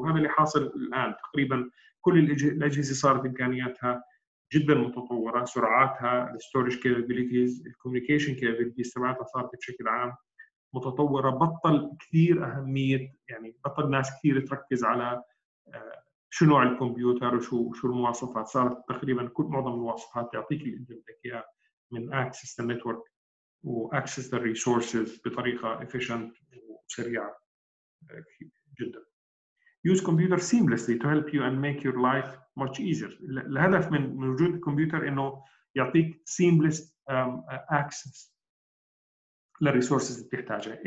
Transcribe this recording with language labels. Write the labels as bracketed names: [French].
[Arabic] وهذا اللي حاصل الآن تقريبا كل الأجهزة صارت إمكانياتها جدا متطورة، سرعاتها الستورج كابابيليتيز الكوميونيكيشن كابابيليتيز تبعتها صارت بشكل عام متطورة، بطل كثير أهمية، يعني بطل ناس كثير تركز على شو نوع الكمبيوتر وشو المواصفات. صارت تقريبا كل معظم المواصفات تعطيك اللي انت بدك اياه من [English] access the network [Arabic] و [English] access the resources [Arabic] بطريقة efficient وسريعة جدا. [English] Use computer seamlessly to help you and make your life much easier. [Arabic] الهدف من وجود الكمبيوتر انه يعطيك seamless access للresources اللي بتحتاجها.